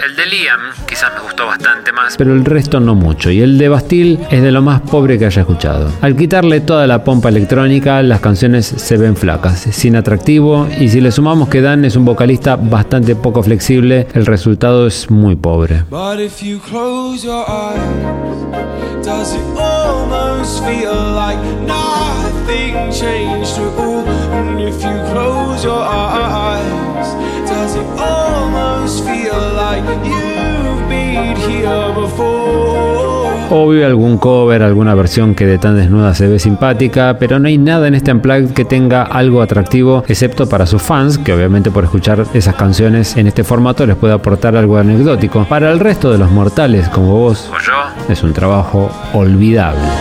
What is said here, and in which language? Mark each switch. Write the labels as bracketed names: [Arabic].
[Spanish] El de Liam quizás me gustó bastante más, pero el resto no mucho, y el de Bastille es de lo más pobre que haya escuchado. Al quitarle toda la pompa electrónica, las canciones se ven flacas, sin atractivo, y si le sumamos que Dan es un vocalista bastante poco flexible, el resultado es muy pobre. [English] But if you close your eyes, does it almost feel like nothing changed at all? And if you close your eyes, does it almost feel like you've been here before? [Spanish] Obvio, algún cover, alguna versión que de tan desnuda se ve simpática, pero no hay nada en este Unplugged que tenga algo atractivo, excepto para sus fans, que obviamente por escuchar esas canciones en este formato les puede aportar algo anecdótico. Para el resto de los mortales, como vos, o yo, es un trabajo olvidable.